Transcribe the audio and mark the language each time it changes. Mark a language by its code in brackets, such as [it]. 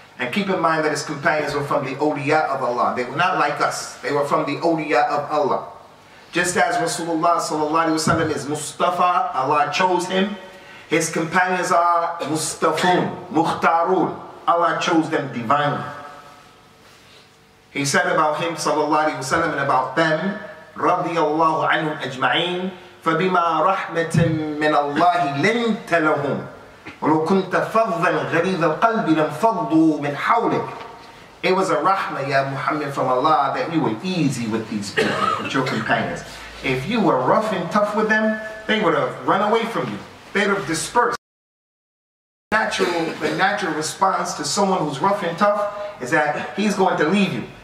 [en] And keep in mind that his companions were from the awliya of Allah. They were not like us. They were from the awliya of Allah. Just as Rasulullah sallallahu alayhi wa sallam is Mustafa, Allah chose him. His companions are Mustafun, Mukhtarun. Allah chose them divinely. He said about him, sallallahu alayhi wa sallam, and about them, radiyallahu anhum ajma'in, [ar] فَبِمَا رَحْمَةٍ مِّنَ اللَّهِ لِنْتَ لَهُمْ وَلُوْ كُنْتَ فَضًّا غَلِيظَ الْقَلْبِ لَمْ فَضُّوا مِنْ حَوْلِكَ. [en] It was a rahmah, ya Muhammad, from Allah, that you were easy with these people, with your companions. If you were rough and tough with them, they would have run away from you. They would have dispersed. The natural response to someone who's rough and tough is that he's going to leave you.